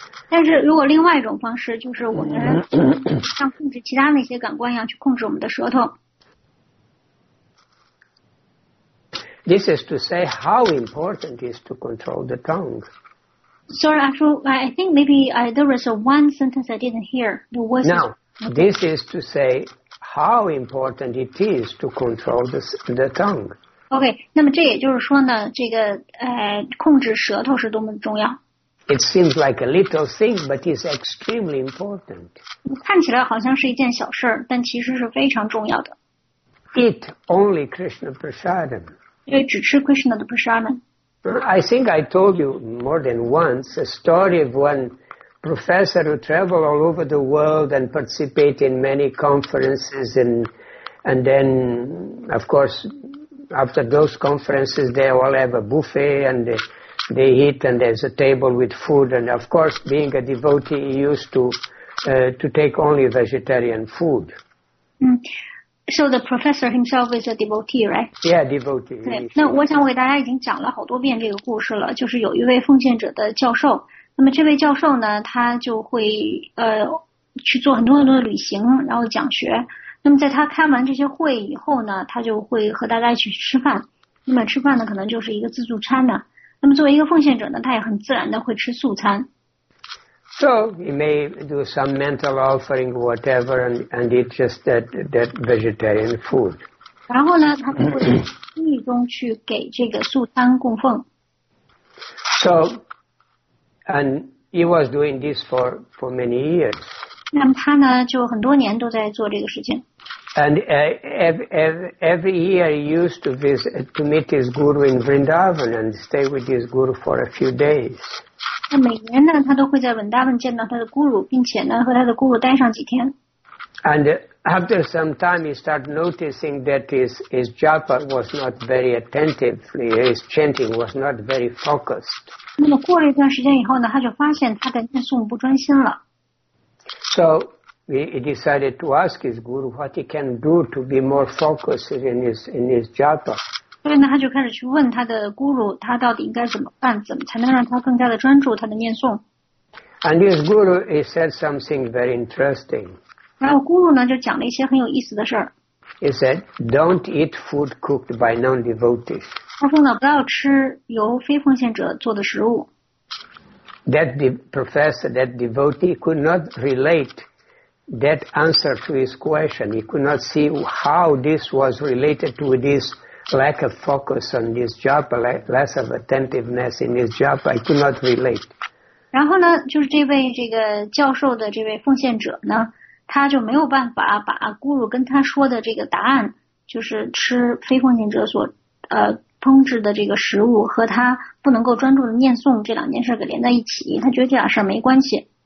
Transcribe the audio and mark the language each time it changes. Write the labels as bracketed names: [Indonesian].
[Chinese] 但是如果另外一种方式，就是我们像控制其他那些感官一样去控制我们的舌头。 [English] This is to say how important it is to control the tongue. Sorry, actually, I think maybe there was one sentence I didn't hear. Now, this is to say how important it is to control the tongue. [Chinese] Okay, 那么这也就是说呢，这个控制舌头是多么重要。 [English] It seems like a little thing, but it's extremely important. [Chinese] 看起来好像是一件小事，但其实是非常重要的。 [English] Eat only Krishna prasadam. [Chinese] 因为只吃 Krishna 的 prasadam。 [English] I think I told you more than once a story of one professor who traveled all over the world and participated in many conferences, and then, of course, after those conferences, they all have a buffet and they eat, and there's a table with food. And of course, being a devotee, he used to take only vegetarian food. So the professor himself is a devotee, right? Yeah, devotee. [Chinese] 对，那我想我给大家已经讲了好多遍这个故事了，就是有一位奉献者的教授。那么这位教授呢，他就会去做很多很多的旅行，然后讲学。那么在他开完这些会以后呢，他就会和大家一起吃饭。那么吃饭呢，可能就是一个自助餐呢。那么作为一个奉献者呢，他也很自然的会吃素餐。 [English] So he may do some mental offering, whatever, and eat just that vegetarian food. [Chinese] 然后呢，他就会无意中去给这个素餐供奉。 [English] So, and he was doing this for many years. [Chinese] 那么他呢，就很多年都在做这个事情。 [English] And every year he used to meet his guru in Vrindavan and stay with his guru for a few days. [Chinese] 那每年呢，他都会在文达文见到他的 guru， 并且呢和他的 guru 待上几天。 [English] And after some time, he started noticing that his japa was not very attentively, his chanting was not very focused. [Chinese] 那么过了一段时间以后呢，他就发现他的念诵不专心了。 [English] So. He decided to ask his guru what he can do to be more focused in his japa. [Chinese] 所以呢，他就开始去问他的 guru， 他到底应该怎么办，怎么才能让他更加的专注他的念诵。 [English] And his guru, he said something very interesting. [Chinese] 然后 guru 呢，就讲了一些很有意思的事儿。 [English] He said, "Don't eat food cooked by non-devotees." [Chinese] 他说呢，不要吃由非奉献者做的食物。 [English] That professor, that devotee, could not relate. That answer to his question, he could not see how this was related to this lack of focus on his job, less of attentiveness in his job. I could not relate. [Chinese] 然后呢，就是这位这个教授的这位奉献者呢，他就没有办法把 guru 跟他说的这个答案，就是吃非奉献者所烹制的这个食物和他不能够专注的念诵这两件事给连在一起，他觉得这两事没关系。